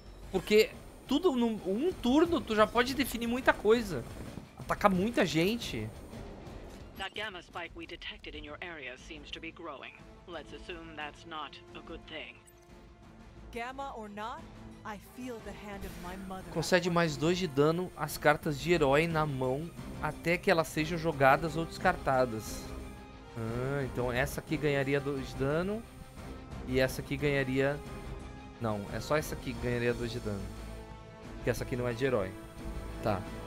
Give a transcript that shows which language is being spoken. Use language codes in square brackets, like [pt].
[pt] Porque tudo num um turno tu já pode definir muita coisa. Atacar muita gente. [en] That gamma spike we detected in your area seems to be growing. Let's assume that's not a good thing. Gamma or not, I feel the hand of my mother. [pt] Concede mais 2 de dano às cartas de herói na mão até que elas sejam jogadas ou descartadas. Ah, então essa aqui ganharia 2 de dano e essa aqui ganharia... Não, é só essa aqui que ganharia 2 de dano. Porque essa aqui não é de herói. Tá.